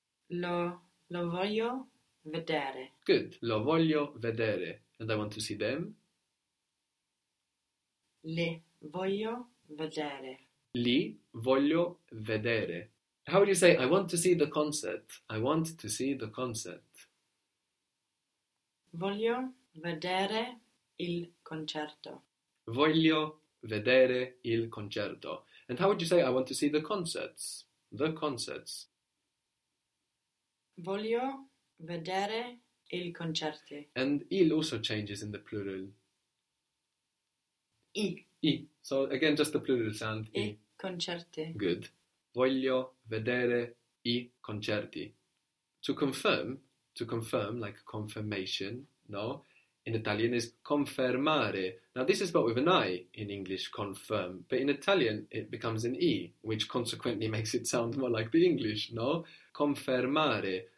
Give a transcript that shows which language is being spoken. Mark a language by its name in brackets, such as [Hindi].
[Italian] Lo voglio vedere. [English] Good. [Italian] Lo voglio vedere. [English] And I want to see them? [Italian] Li voglio vedere. Li voglio vedere. [English] How would you say, I want to see the concert? I want to see the concert. [Italian] Voglio vedere il concerto. Voglio vedere il concerto. [English] And how would you say, I want to see the concerts? The concerts. [Italian] Voglio vedere il concerti. [English] And il also changes in the plural. [Italian] I. I. [English] So again, just the plural sound. [Italian] I. Concerti. [English] Good. [Italian] Voglio vedere I concerti. [English] To confirm, like confirmation, no? In Italian is confermare. Now this is spelled with an I in English, confirm. But in Italian it becomes an E, which consequently makes it sound more like the English, no? [Italian] Confermare.